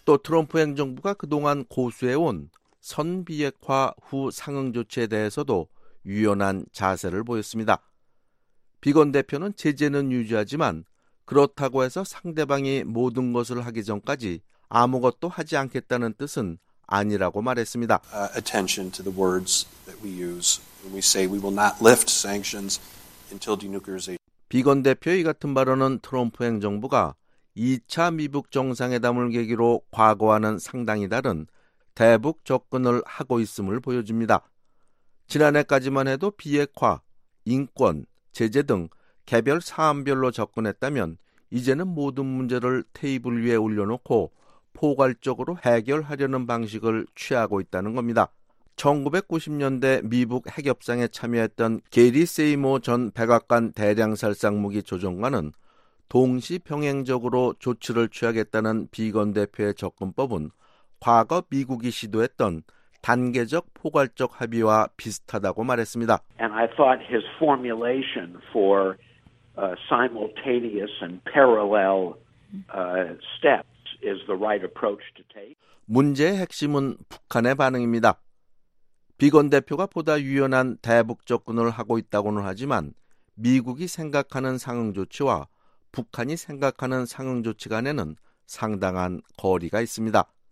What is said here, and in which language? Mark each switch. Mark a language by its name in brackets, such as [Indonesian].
[Korean] 또 트럼프 행정부가 그동안 고수해온 선비핵화 후 상응 조치에 대해서도 유연한 자세를 보였습니다. 비건 대표는 제재는 유지하지만 그렇다고 해서 상대방이 모든 것을 하기 전까지 아무것도 하지 않겠다는 뜻은 아니라고 말했습니다. [English] Attention to the words that we use when we say we will not lift sanctions until denuclearization. [Korean] 비건 대표의 같은 발언은 트럼프 행정부가 2차 미북 정상회담을 계기로 과거와는 상당히 다른 대북 접근을 하고 있음을 보여줍니다. 지난해까지만 해도 비핵화, 인권, 제재 등 개별 사안별로 접근했다면 이제는 모든 문제를 테이블 위에 올려놓고 포괄적으로 해결하려는 방식을 취하고 있다는 겁니다. 1990년대 미북 핵협상에 참여했던 게리 세이모 전 백악관 대량살상무기 조정관은 동시병행적으로 조치를 취하겠다는 비건 대표의 접근법은 과거 미국이 시도했던 단계적 포괄적 합의와 비슷하다고 말했습니다. [English] And I thought his formulation for simultaneous and parallel steps is the right approach to take. [Korean] 문제의 핵심은 북한의 반응입니다. 비건 대표가 보다 유연한 대북 접근을 하고 있다고는 하지만 미국이 생각하는 상응 조치와 북한이 생각하는 상응 조치 간에는 상당한 거리가 있습니다.